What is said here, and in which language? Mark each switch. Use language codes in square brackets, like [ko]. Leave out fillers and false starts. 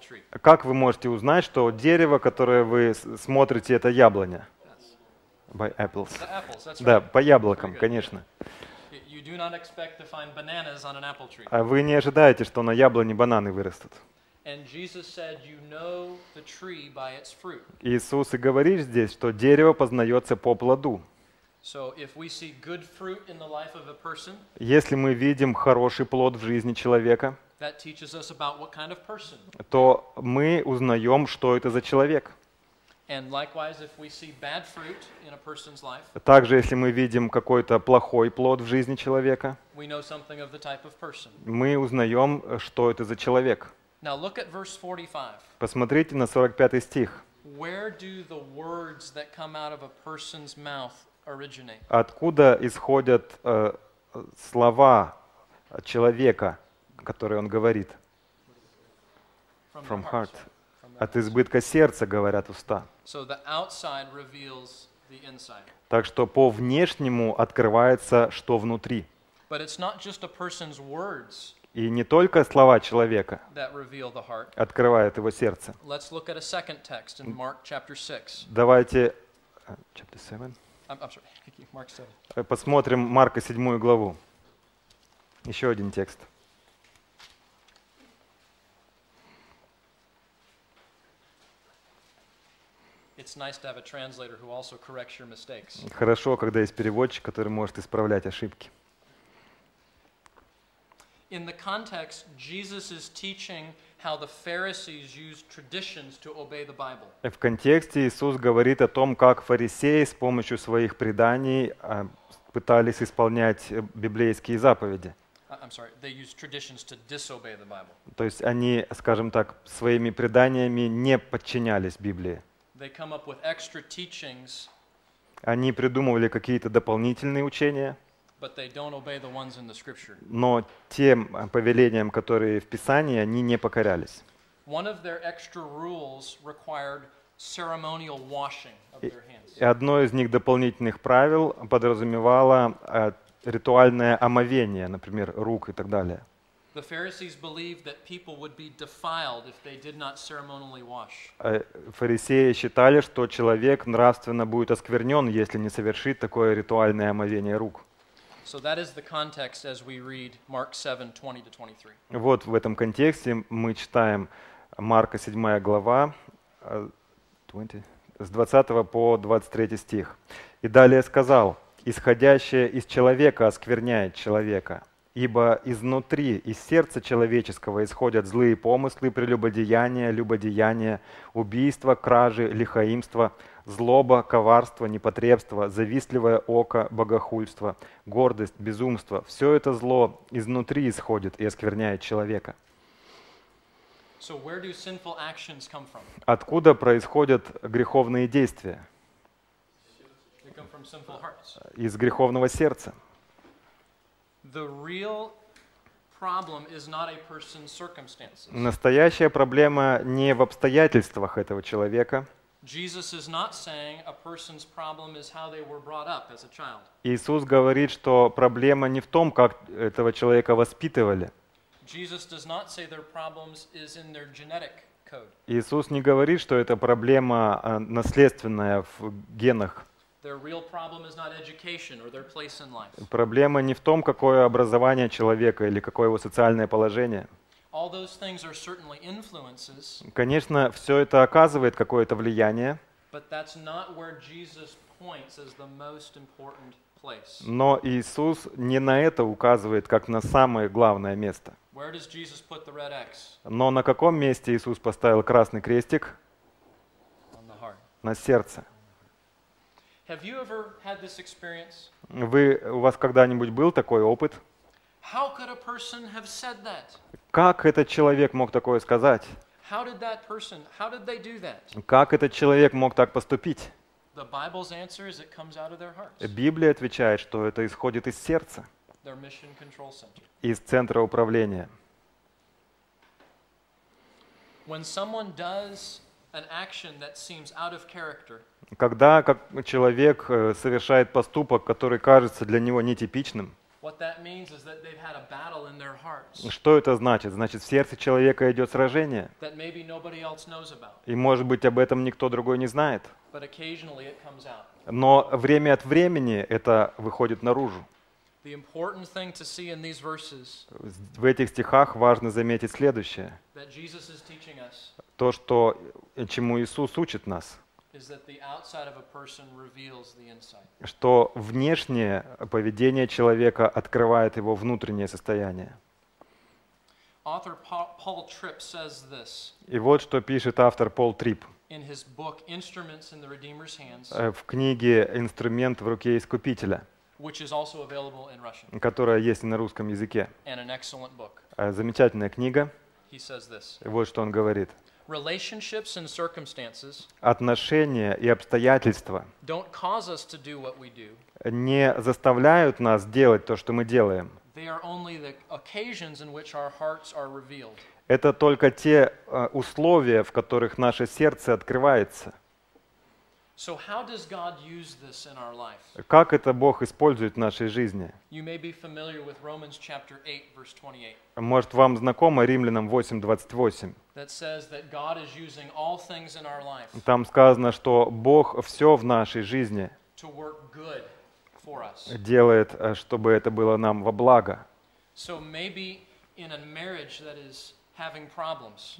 [ru] Как вы можете узнать, что дерево, которое вы смотрите, это яблоня? [en] By apples. The apples, that's right. [ru] Да, по яблокам, конечно. [en] You do not expect to find bananas on an apple tree. [ru] А вы не ожидаете, что на яблоне бананы вырастут. [en] And Jesus said, you know the tree by its fruit. [ru] Иисус и говорит здесь, что дерево познается по плоду. [en] So if we see good fruit in the life of a person, [ru] если мы видим хороший плод в жизни человека, [en] that teaches us about what kind of person. [ru] То мы узнаем, что это за человек. [en] And likewise, if we see bad fruit in a person's life, [ru] также, если мы видим какой-то плохой плод в жизни человека, [en] we know something of the type of person. [ru] Мы узнаем, что это за человек. [en] Now look at verse 45. [ru] Посмотрите на 45 стих. [en] Where do the words that come out of a person's mouth originate? [ru] Откуда исходят слова человека, которые он говорит? [en] From the heart. [ru] От избытка сердца, говорят уста. [en] So the outside reveals the inside. [ru] Так что по внешнему открывается, что внутри. [en] But it's not just a person's words. [ru] И не только слова человека [en] that reveal the heart. [ru] Открывают его сердце. [en] Let's look at a second text in Mark chapter 6. [ru] Давайте [en] chapter 7. I'm sorry. Thank you. Mark 7. [ru] Посмотрим Марка 7 главу. Еще один текст. [en] It's nice to have a translator who also corrects your mistakes. [ru] Хорошо, когда есть переводчик, который может исправлять ошибки. [en] In the context, Jesus is teaching how the Pharisees use traditions to obey the Bible. [ru] В контексте Иисус говорит о том, как фарисеи с помощью своих преданий пытались исполнять библейские заповеди. [en] I'm sorry, they use traditions to disobey the Bible. [ru] То есть они, скажем так, своими преданиями не подчинялись Библии. [en] They come up with extra teachings. [ru] Они придумывали какие-то дополнительные учения. [en] But they don't obey the ones in the scripture. [ru] Но тем повелениям, которые в Писании, они не покорялись. [en] One of their extra rules required ceremonial washing of their hands. [ru] И одно из них дополнительных правил подразумевало ритуальное омовение, например, рук и так далее. [en] The Pharisees believed that people would be defiled if they did not ceremonially wash. [ru] Фарисеи считали, что человек нравственно будет осквернен, если не совершит такое ритуальное омовение рук. [en] So that is the context as we read Mark 7, 20-23. [ru] Вот в этом контексте мы читаем Марка 7 глава, 20, с 20 по 23 стих. И далее сказал: «Исходящее из человека оскверняет человека». Ибо изнутри, из сердца человеческого, исходят злые помыслы, прелюбодеяния, любодеяния, убийства, кражи, лихоимства, злоба, коварство, непотребство, завистливое око, богохульство, гордость, безумство. Все это зло изнутри исходит и оскверняет человека. [en] So where do sinful actions come from? [ru] Откуда происходят греховные действия? [en] They come from sinful hearts. [ru] Из греховного сердца. [en] The real problem is not a person's circumstances. [ru] Настоящая проблема не в обстоятельствах этого человека. [en] Jesus is not saying a person's problem is how they were brought up as a child. [ru] Иисус говорит, что проблема не в том, как этого человека воспитывали. [en] Jesus does not say their problems is in their genetic code. [ru] Иисус не говорит, что это проблема наследственная в генах. [en] Their real problem is not education or their place in life. [ru] Проблема не в том, какое образование человека или какое его социальное положение. [en] All those things are certainly influences. [ru] Конечно, все это оказывает какое-то влияние. [en] But that's not where Jesus points as the most important place. [ru] Но Иисус не на это указывает, как на самое главное место. [en] Where does Jesus put the red X? [ru] Но на каком месте Иисус поставил красный крестик? [en] On the heart. [ru] На сердце. [en] Have you ever had this experience? [ru] У вас когда-нибудь был такой опыт? [en] How could a person have said that? [ru] Как этот человек мог такое сказать? [en] How did that person, how did they do that? [ru] Как этот человек мог так поступить? [en] The Bible's answer is it comes out of their hearts. [ru] Библия отвечает, что это исходит из сердца. [en] Their mission control center. [ru] Из центра управления. [en] When someone does an action that seems out of character. [ru] Когда человек совершает поступок, который кажется для него нетипичным. [en] What that means is that they've had a battle in their hearts. [ru] Что это значит? Значит, в сердце человека идет сражение. [en] That maybe nobody else knows about. [ru] И, может быть, об этом никто другой не знает. [en] But occasionally it comes out. [ru] Но время от времени это выходит наружу. [en] The important thing to see in these verses. [ru] В этих стихах важно заметить следующее. [en] That Jesus is teaching us. [ru] То, что, чему Иисус учит нас. [en] Is that the outside of a person reveals the inside. [ru] Что внешнее поведение человека открывает его внутреннее состояние. [en] Author Paul Tripp says this. [ru] И вот что пишет автор Пол Трипп. [en] In his book Instruments in the Redeemer's Hands. [ru] В книге «Инструмент в руке Искупителя». [en] Which is also available in Russian. [ru] Которая есть и на русском языке. [en] And an excellent book. [ru] Замечательная книга. [en] He says this. [ru] И вот что он говорит. [en] Relationships and circumstances. [ru] Отношения и обстоятельства. [en] Don't cause us to do what we do. [ru] Не заставляют нас делать то, что мы делаем. [en] They are only the occasions in which our hearts are revealed. [ru] Это только те условия, в которых наше сердце открывается. [en] So how does God use this in our life? [ru] Как это Бог использует в нашей жизни? [en] You may be familiar with Romans chapter 8, verse 28. [ru] Может, вам знакомо Римлянам 8:28? [en] That says that God is using all things in our life. [ru] Там сказано, что Бог все в нашей жизни [en] to work good for us. [ru] Делает, чтобы это было нам во благо. [en] So maybe in a marriage that is having problems.